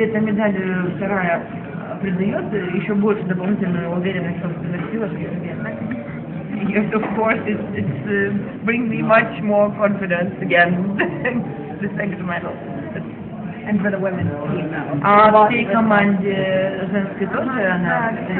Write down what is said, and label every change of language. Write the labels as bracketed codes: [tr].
[ru] Тебе эта медаль вторая придает еще больше дополнительную уверенность в собственных силах и себе. [en] Yes, of course, it's bring me much more confidence again. The second medal. And for the women, team now. [ru] Команде женской тоже она.